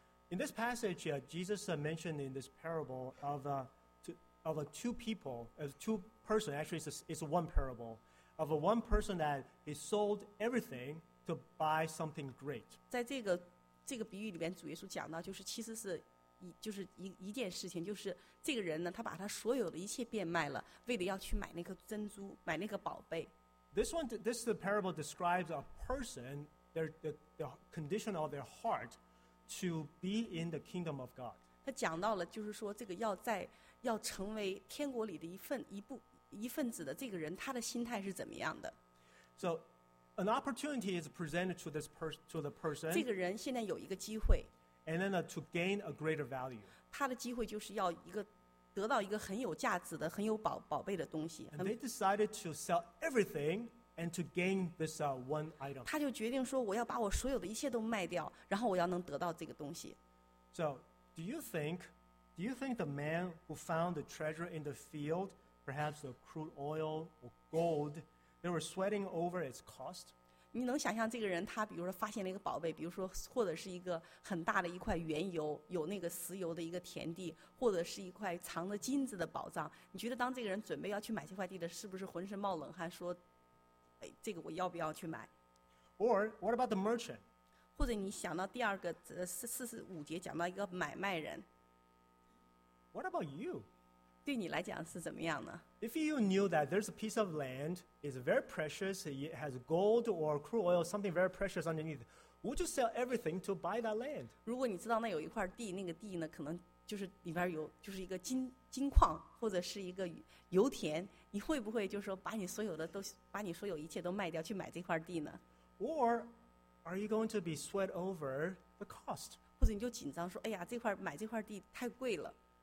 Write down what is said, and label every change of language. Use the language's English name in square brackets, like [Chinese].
[English] In this passage, Jesus mentioned in this parable of two people, actually it's one parable, of one person that he sold everything to buy something great. [Chinese] 在这个比喻里面，主耶稣讲到，就是其实是。就是一件事情，就是这个人呢，他把他所有的一切变卖了，为了要去买那颗珍珠，买那个宝贝。 [English] This the parable describes a person, the condition of their heart to be in the kingdom of God. [Chinese] 他讲到了，就是说这个要成为天国里的一份子的这个人，他的心态是怎么样的 [English] ？So, an opportunity is presented to this person, to the person. [Chinese] 这个人现在有一个机会。 [English] And then to gain a greater value. [Chinese] 他的机会就是要一个得到一个很有价值的、很有宝贝的东西。 [English] And they decided to sell everything and to gain this one item. [Chinese] 他就决定说，我要把我所有的一切都卖掉，然后我要能得到这个东西。 [English] So, do you think the man who found the treasure in the field, perhaps the crude oil or gold, they were sweating over its cost? [Chinese] 你能想象这个人他比如说发现了一个宝贝，比如说或者是一个很大的一块原油，有那个石油的一个田地，或者是一块藏着金子的宝藏，你觉得当这个人准备要去买这块地的，是不是浑身冒冷汗说，哎，这个我要不要去买？ [English] Or what about the merchant? [Chinese] 或者你想到第二个45节讲到一个买卖人。 [English] What about you? [Chinese] 对你来讲是怎么样呢？ [English] If you knew that there's a piece of land, it's very precious, it has gold or crude oil, something very precious underneath, would you sell everything to buy that land? [Chinese] 如果你知道那有一块地，那个地呢，可能就是里边有，就是一个金矿或者是一个油田，你会不会就是说把你所有的都，把你所有一切都卖掉去买这块地呢？ [English] Or are you going to be sweat over the cost? [Chinese] 或者你就紧张说，哎呀，这块买这块地太贵了。